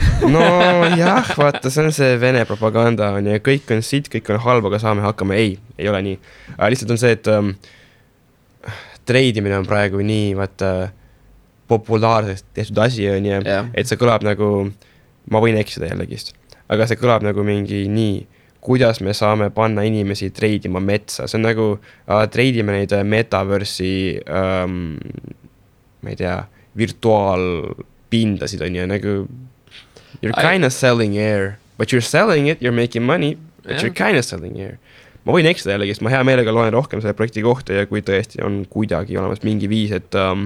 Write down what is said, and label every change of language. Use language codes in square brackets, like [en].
[et] No jah, vaata, see on see Vene propaganda on ja kõik on siit, kõik on halva, aga saame hakkama, ei ole nii. Aga lihtsalt on see, et treidimine on praegu nii vaata, populaarsest tehtud asja on ja et see kõlab nagu, ma võin eksida jällegist, aga see kõlab nagu mingi nii, kuidas me saame panna inimesi treidima metsa. See on nagu treidime neid metaversi, ma ei tea, virtuaal pindasid on ja nagu [en] you're kind of selling air, but you're selling it, you're making money, but you're kind of selling air. [et] Ma võin eksida jällegist, ma hea meelega loen rohkem selle projekti kohta ja kui tõesti on kuidagi olemas mingi viis, et